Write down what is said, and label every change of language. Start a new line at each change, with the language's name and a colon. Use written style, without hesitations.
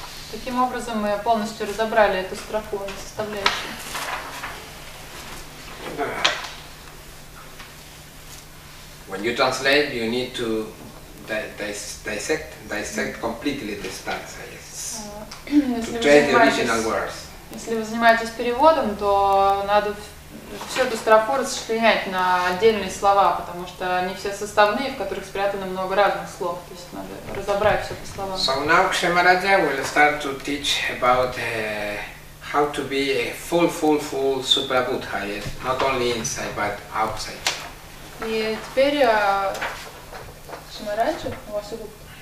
Russian: Таким образом мы полностью разобрали эту строку на составляющие.
English: When you translate, you need to dissect completely the stanza, yes. To change the original words.
Russian: Если вы занимаетесь переводом, то надо всю эту строку расчленять на отдельные слова, потому что они все составные, в которых спрятано много разных слов. То есть надо разобрать все по словам.
English: So now Kshemaraja will start to teach about how to be a full Suprabuddha, yes? Not only inside, but outside.
Russian: И теперь Кшемараджа, Васугупта.